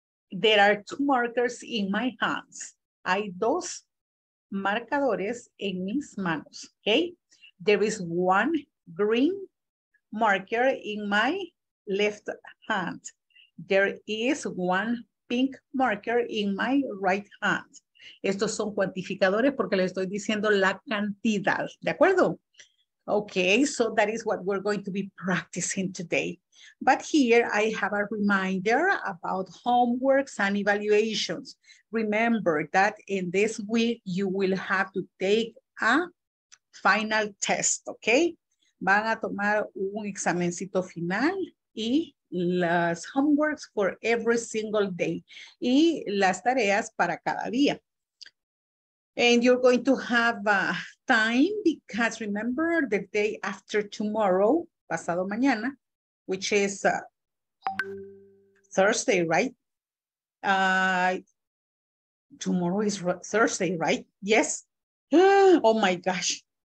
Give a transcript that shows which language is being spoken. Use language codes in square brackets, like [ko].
[en] There are 2 markers in my hands. [es] Hay 2 marcadores en mis manos. [en] Okay. There is 1 green marker in my left hand. There is 1 pink marker in my right hand. [es] Estos son cuantificadores porque les estoy diciendo la cantidad. ¿De acuerdo? [en] Okay, so that is what we're going to be practicing today. But here I have a reminder about homeworks and evaluations. Remember that in this week you will have to take a final test, okay? [es] Van a tomar un examencito final y las [en] homeworks for every single day [es] y las tareas para cada día. [en] And you're going to have time because remember the day after tomorrow, [es] pasado mañana, [en] which is Thursday, right? Tomorrow is Thursday, right? Yes. Oh my gosh.